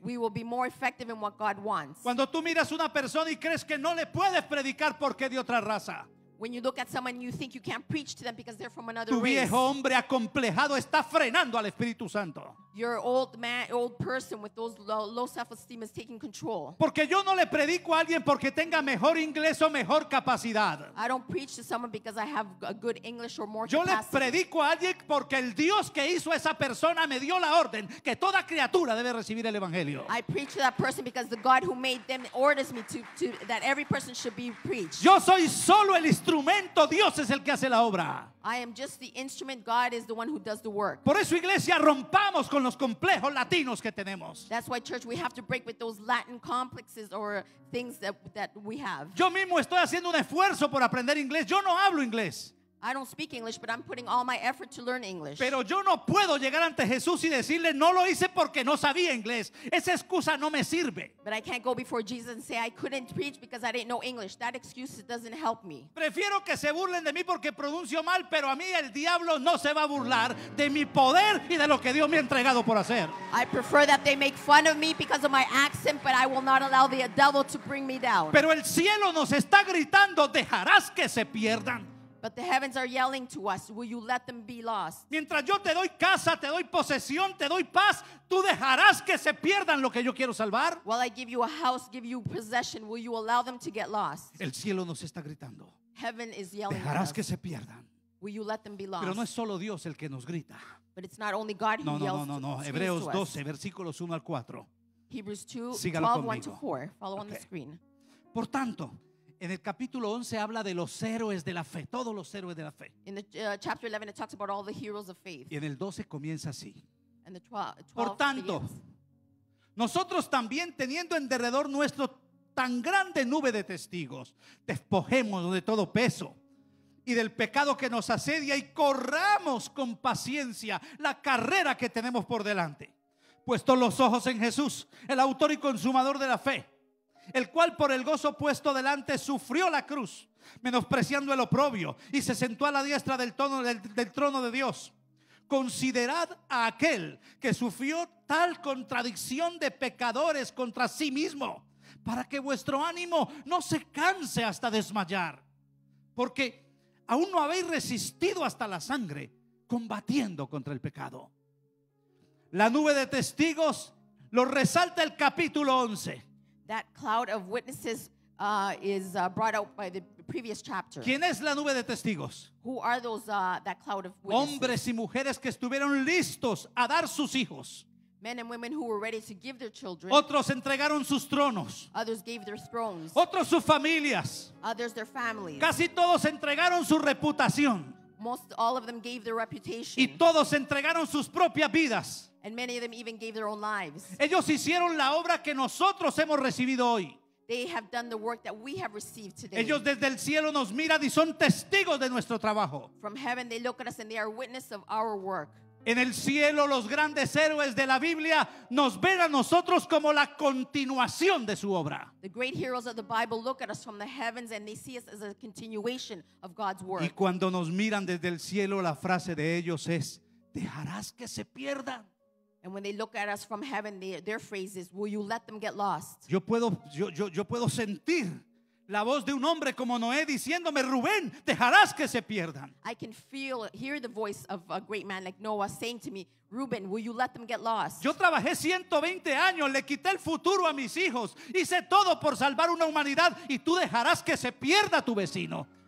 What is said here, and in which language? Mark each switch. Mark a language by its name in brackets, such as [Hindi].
[English] We will be more effective in what God wants. [Spanish] Cuando tú miras una persona y crees que no le puedes predicar porque es de otra raza. [English] When you look at someone, you think you can't preach to them because they're from another [Spanish] race. Tu viejo hombre acomplejado está frenando al Espíritu Santo. [English] Your old man, old person with those low self-esteem is taking control. [Spanish] Porque yo no le predico a alguien porque tenga mejor inglés o mejor capacidad. [English] I don't preach to someone because I have a good English or more [Spanish] yo [English] capacity. [Spanish] Yo le predico a alguien porque el Dios que hizo esa persona me dio la orden que toda criatura debe recibir el evangelio. [English] I preach to that person because the God who made them orders me to that every person should be preached. [Spanish] Yo soy solo el instrumento, Dios es el que hace la obra. [English] I am just the instrument, God is the one who does the work. [Spanish] Por eso iglesia, rompamos con los complejos latinos que tenemos. [English] That's why church, we have to break with those Latin complexes or things that we have. [Spanish] Yo mismo estoy haciendo un esfuerzo por aprender inglés. Yo no hablo inglés. [English] I don't speak English, but I'm putting all my effort to learn English. [Spanish] Pero yo no puedo llegar ante Jesús y decirle no lo hice porque no sabía inglés. Esa excusa no me sirve. [English] But I can't go before Jesus and say I couldn't preach because I didn't know English. That excuse doesn't help me. [Spanish] Prefiero que se burlen de mí porque pronuncio mal, pero a mí el diablo no se va a burlar de mi poder y de lo que Dios me ha entregado por hacer. [English] I prefer that they make fun of me because of my accent, but I will not allow the devil to bring me down. [Spanish] Pero el cielo nos está gritando, dejarás que se pierdan. [English] But the heavens are yelling to us, will you let them be lost? [Spanish] Mientras yo te doy casa, te doy posesión, te doy paz, ¿tú dejarás que se pierdan lo que yo quiero salvar? [English] While I give you a house, give you possession, will you allow them to get lost? [Spanish] El cielo nos está gritando. [English] Heaven is yelling. [Spanish] Dejarás que se pierdan. [English] Will you let them be lost? [Spanish] Pero no es solo Dios el que nos grita. [English] But it's not only God who yells. [Spanish] No. Hebreos 12, versículos 1 al 4. [English] Hebrews 2, 12, 1 to 4. Follow on the screen. [Spanish] Por tanto, en el capítulo 11 habla de los héroes de la fe, todos los héroes de la fe. [English] In the, chapter 11 it talks about all the heroes of faith. [Spanish] Y en el 12 comienza así. [English] And the 12 [Spanish] por tanto, nosotros también teniendo en derredor nuestro tan grande nube de testigos, despojemos de todo peso y del pecado que nos asedia y corramos con paciencia la carrera que tenemos por delante. Puesto los ojos en Jesús, el autor y consumador de la fe, el cual por el gozo puesto delante sufrió la cruz, menospreciando el oprobio, y se sentó a la diestra del trono de Dios. Considerad a aquel que sufrió tal contradicción de pecadores contra sí mismo, para que vuestro ánimo no se canse hasta desmayar, porque aún no habéis resistido hasta la sangre, combatiendo contra el pecado. La nube de testigos lo resalta el capítulo 11. [English] That cloud of witnesses is brought out by the previous chapter. [Spanish] ¿Quién es la nube de testigos? [English] Who are those that cloud of witnesses? [Spanish] Hombres y mujeres que estuvieron listos a dar sus hijos. [English] Men and women who were ready to give their children. [Spanish] Otros entregaron sus tronos. [English] Others gave their thrones. [Spanish] Otros sus familias. [English] Others their families. [Spanish] Casi todos entregaron su reputación. [English] Most all of them gave their reputation. [Spanish] Y todos entregaron sus propias vidas. [English] And many of them even gave their own lives. [Spanish] Ellos hicieron la obra que nosotros hemos recibido hoy. [English] They have done the work that we have received today. [Spanish] Ellos desde el cielo nos miran y son testigos de nuestro trabajo. [English] From heaven they look at us and they are witness of our work. [Spanish] En el cielo los grandes héroes de la Biblia nos ven a nosotros como la continuación de su obra. [English] The great heroes of the Bible look at us from the heavens and they see us as a continuation of God's work. [Spanish] Y cuando nos miran desde el cielo la frase de ellos es, dejarás que se pierdan. [English] And when they look at us from heaven, their phrase is, will you let them get lost? [Spanish] Yo puedo sentir la voz de un hombre como Noé diciéndome, Rubén, dejarás que se pierdan. [English] I can hear the voice of a great man like Noah saying to me, Rubén, will you let them get lost? [Spanish] Yo trabajé 120 años, le quité el futuro a mis hijos, hice todo por salvar una humanidad y tú dejarás que se pierda tu vecino.